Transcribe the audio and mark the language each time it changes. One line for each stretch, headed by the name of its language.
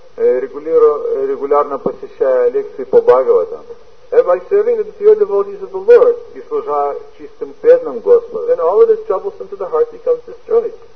Russian: Регулярно посещая лекции по Бхагаватам.
English: And by serving the pure devotees of the Lord.
Russian: И служа чистым преданным Господу.
English: Then all of this troublesome to the heart becomes destroyed.